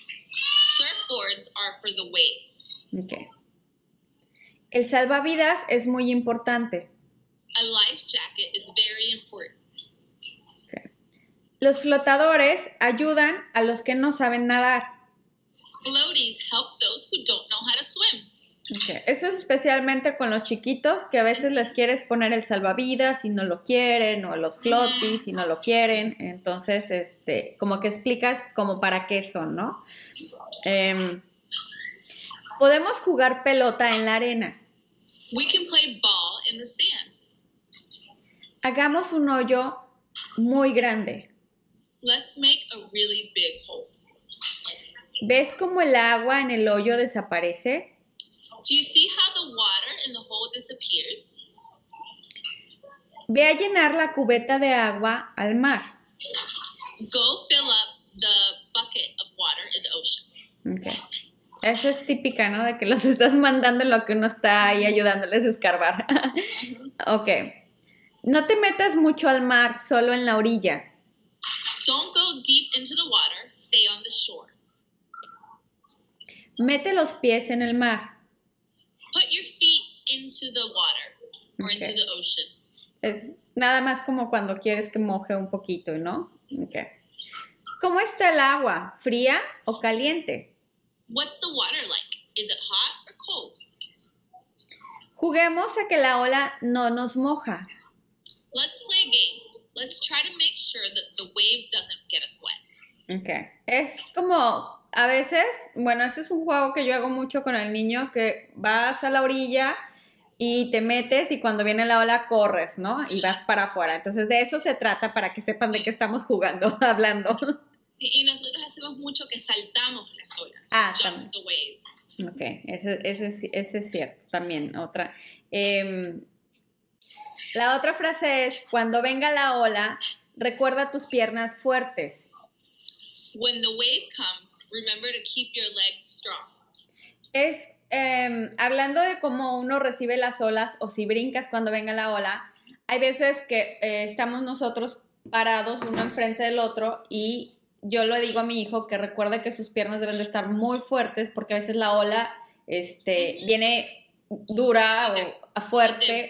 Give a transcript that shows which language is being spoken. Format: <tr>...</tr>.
<en>Surfboards are for the waves.</en> <es>Okay. El salvavidas es muy importante.</es> <en>A life jacket is very important. Okay.</en> <es>Los flotadores ayudan a los que no saben nadar.</es> <en>Floaties help those who don't know how to swim. Okay.</en> <es>Eso es especialmente con los chiquitos que a veces les quieres poner el salvavidas y no lo quieren, o los floaties y no lo quieren. Entonces, como que explicas como para qué son, ¿no? Podemos jugar pelota en la arena.</es> <en>We can play ball in the sand.</en> <es>Hagamos un hoyo muy grande.</es> <en>Let's make a really big hole.</en> <es>¿Ves cómo el agua en el hoyo desaparece?</es> <en>Do you see how the water in the hole disappears?</en> <es>Ve a llenar la cubeta de agua al mar.</es> <en>Go fill up the bucket of water in the ocean.</en> <es>Okay. Eso es típica, ¿no? De que los estás mandando lo que uno está ahí ayudándoles a escarbar. Ok. No te metas mucho al mar, solo en la orilla.</es> <en>Don't go deep into the water, stay on the shore.</en> <es>Mete los pies en el mar.</es> <en>Put your feet into the water or okay. into the ocean.</en> <es>Es nada más como cuando quieres que moje un poquito, ¿no? Okay. ¿Cómo está el agua? ¿Fría o caliente?</es> <en>What's the water like? Is it hot or cold?</en> <es>Juguemos a que la ola no nos moja.</es> <en>Let's play a game. Let's try to make sure that the wave doesn't get us wet. Okay.</en> <es>Es como a veces, bueno, este es un juego que yo hago mucho con el niño, que vas a la orilla y te metes y cuando viene la ola corres, ¿no? Y vas para afuera. Entonces de eso se trata, para que sepan de qué estamos jugando, hablando. Sí, y nosotros hacemos mucho que saltamos las olas.</es> <en>Ah, jump the waves.</en> <es>Ok, ese es cierto también. Otra. La otra frase es, cuando venga la ola, recuerda tus piernas fuertes.</es> <en>When the wave comes, remember to keep your legs strong.</en> <es>Es hablando de cómo uno recibe las olas o si brincas cuando venga la ola, hay veces que estamos nosotros parados uno enfrente del otro y yo le digo a mi hijo que recuerde que sus piernas deben de estar muy fuertes porque a veces la ola viene dura o fuerte</es>